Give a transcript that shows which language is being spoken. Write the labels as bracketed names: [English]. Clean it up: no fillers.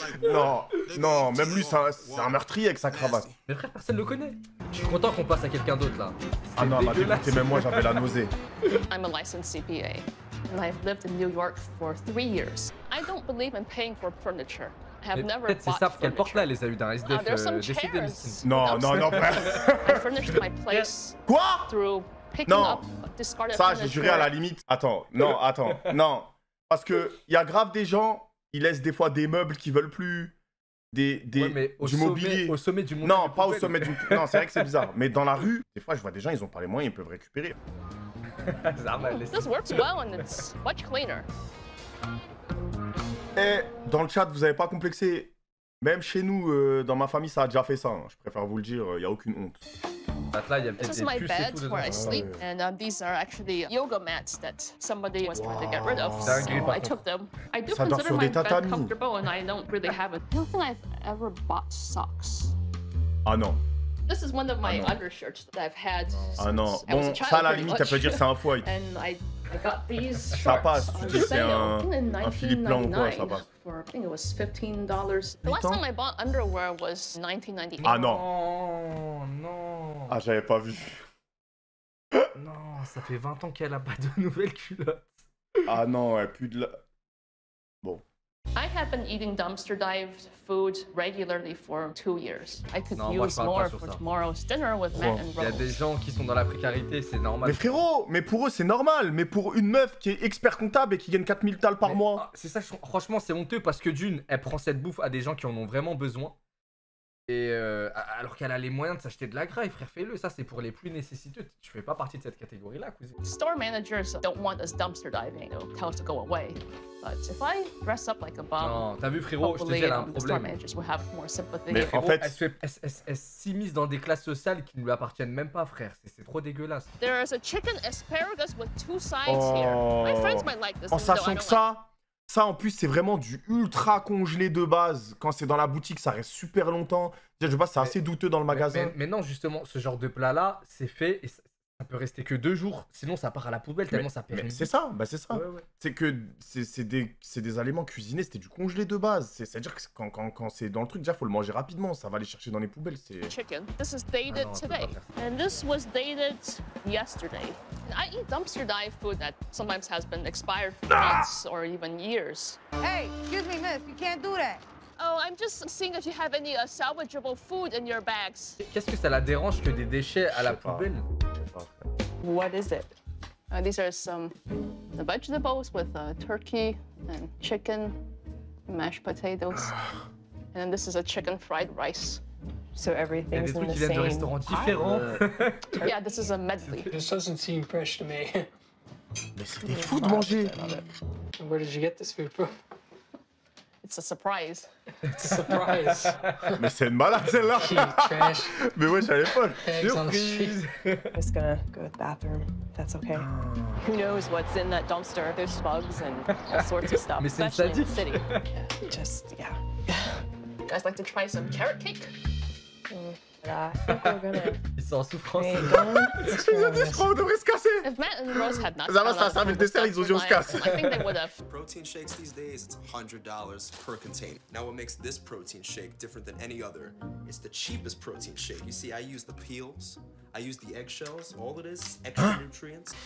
[French] Non, non, même lui, c'est un meurtrier avec sa cravate. Mais frère, personne le connaît. Je suis content qu'on passe à quelqu'un d'autre là. Ah non, elle m'a dégoûté, même moi j'avais la nausée. [English] I'm a licensed CPA and I've lived in New York for 3 years. I don't believe in paying for furniture. I have never bought furniture. [French] Peut-être c'est ça qu'elle porte là, les Aludins. SDF, des chairs. Non, non, non, frère. [English] I furnished my place. [French] Quoi? [English] Through picking [French] non. [English] Up discarded [French] ça, j'ai juré à la limite. Attends, non, attends, non. Parce que il y a grave des gens, ils laissent des fois des meubles qu'ils veulent plus. Des ouais, mais au du sommet, mobilier. Au sommet du monde. Non, pas au sommet du. Non, c'est vrai que c'est bizarre. Mais dans la rue, des fois, je vois des gens, ils ont pas les moyens, ils peuvent récupérer. [English] This works well and it's much cleaner. [French] Eh, dans le chat, vous avez pas complexé. Même chez nous, dans ma famille, ça a déjà fait ça. Hein. Je préfère vous le dire, il y a aucune honte. Bah là, il y a peut-être des puces et tout dedans. [English] This is my bed where I sleep and these are actually yoga mats that somebody was trying to get rid of. So I took them. I do consider my bed comfortable and I don't really have it. I don't think I've ever bought socks. [French] Ah non. [English] This is one of my undershirts that I've had since [French] ah non. Bon, [English] I was a child. [French] Ça, à la limite, elle peut dire c'est un foie. [English] And I got these shorts. [French] Ça passe, tu dis c'est un Philippe Plan ou quoi, ça passe. [English] For, I think it was $15. The last time I bought underwear was 1998. [French] Ah non. Oh non. Ah, j'avais pas vu. Non, ça fait 20 ans qu'elle a pas de nouvelles culottes. Ah non, elle pue de la. Bon. [English] I have been eating dumpster dive food regularly for 2 years. I could [French] non, [English] use more for [French] ça. [English] Tomorrow's dinner with Matt and Rose. [French] Il y a des gens qui sont dans la précarité, c'est normal. Mais frérot, mais pour eux c'est normal, mais pour une meuf qui est expert comptable et qui gagne 4000 tal par mois. C'est ça, franchement c'est honteux parce que d'une, elle prend cette bouffe à des gens qui en ont vraiment besoin. Et alors qu'elle a les moyens de s'acheter de la graille, frère, fais-le, ça c'est pour les plus nécessiteux. Tu fais pas partie de cette catégorie là, cousine. [English] Store managers don't want us dumpster diving. They'll tell us to go away. But if I dress up like a bum, [French] non, t'as vu frérot, je te dis là un problème. Mais frérot, en fait, elle s'immisce dans des classes sociales qui ne lui appartiennent même pas, frère. C'est trop dégueulasse. [English] There is a chicken asparagus with two sides here. My friends might like this. [French] En sachant que ça, ça en plus c'est vraiment du ultra congelé de base. Quand c'est dans la boutique, ça reste super longtemps. Je sais pas, c'est assez douteux dans le magasin. Mais non, justement, ce genre de plat là, c'est fait. Et ça peut rester que 2 jours, sinon ça part à la poubelle tellement mais, ça périme. Mais c'est ça, bah c'est ça. Ouais, ouais. C'est que c'est des aliments cuisinés, c'était du congelé de base. C'est-à-dire que quand c'est dans le truc, déjà faut le manger rapidement, ça va aller chercher dans les poubelles. C'est. [English] Chicken. This is dated today. And this was dated yesterday. I eat dumpster dive food that sometimes has been expired for months or even years. Hey, excuse me, miss, you can't do that. Oh, I'm just seeing if you have any salvageable food in your bags. [French] Qu'est-ce que ça la dérange que des déchets à la poubelle? [English] What is it? These are some vegetables with turkey and chicken, mashed potatoes. And then this is a chicken fried rice. So everything's in the same. [French] Il y a des trucs qui viennent de restaurants différents. [English] Yeah, this is a medley. This doesn't seem fresh to me. [French] Mais c'est des fous de manger. [English] Where did you get this food from? It's a surprise. It's a surprise. [French] Mais c'est une malade celle-là. [English] Trash. [French] Mais ouais, j'avais pas. [English] Surprise. I'm just gonna go to the bathroom. That's okay. No. Who knows what's in that dumpster? There's bugs and all sorts of stuff. [French] Mais [English] especially [French] c'est [English] in the city. Just, yeah. You guys like to try some carrot cake? [French] Ils sont en souffrance. Ils ont dit, je crois qu'on devrait se casser. Ça va, ça a servi le dessert, ils ont dit, on se casse. [English] Protein shakes these days, it's $100 per container. Now what makes this protein shake different than any other? It's the cheapest protein shake. You see, I use the peels, I use the eggshells, all it is, extra nutrients.